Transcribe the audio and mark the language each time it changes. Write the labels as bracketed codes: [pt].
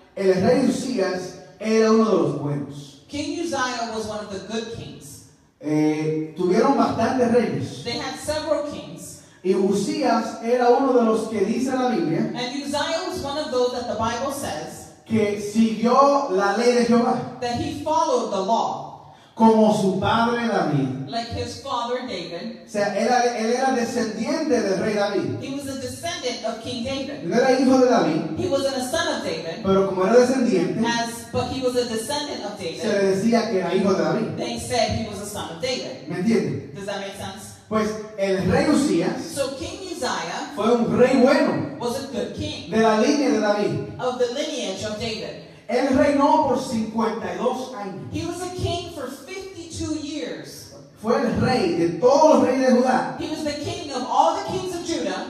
[es] El rey Uzías era uno de los buenos. [en] King Uzziah was one of the good kings. [es] Tuvieron bastantes reyes. [en] They had several kings. [es] Y Uzías era uno de los que dice la Biblia. [en] And Uzziah was one of those that the Bible says. [es] Que siguió la ley de Jehová. [en] That he followed the law. [es] Como su padre David. [en] Like his father David. [es] O sea, él era descendiente del rey David. [en] He was a descendant of King David. [es] No era hijo de David. [en] He wasn't a son of David. [es] Pero como era descendiente. [en] But he was a descendant of David. [es] Se le decía que era hijo de David. [en] They said he was a son of David. [es] ¿Me entiende? [en] Does that make sense? [es] Pues el rey Uzías. [en] So King Uzziah. [es] Fue un rey bueno. [en] Was a good king. [es] De la línea de David. [en] Of the lineage of David. [es] Él reinó por 52 años. [en] He was a king for 52 years. [es] Fue el rey de todos los reyes de Judá. [en] He was the king of all the kings of Judah.